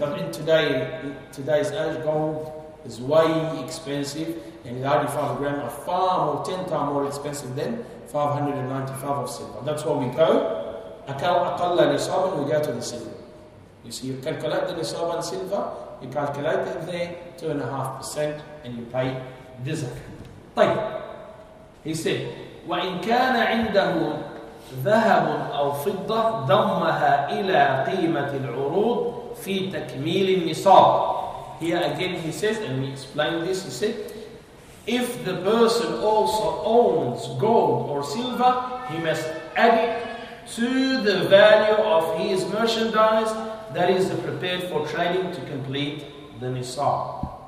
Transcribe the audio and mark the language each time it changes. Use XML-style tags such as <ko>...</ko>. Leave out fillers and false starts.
<en>But in today's age, gold is way expensive, and 95 grams are far more, 10 times more expensive than 595 of silver. That's why we go, أقل نصاب, we go to the silver. You see, you calculate the nisab and silver, you calculate it there, 2.5%, and you pay</en> <ar>رزق. طيب</ar> <en>he said</en> <ar>وإن كان عنده ذهب أو فضة ضمها إلى قيمة العروض في تكميل النصاب.</ar> <en>Here again he says, and we explain this, he said, if the person also owns gold or silver, he must add it to the value of his merchandise that is prepared for trading to complete the nisab.</en>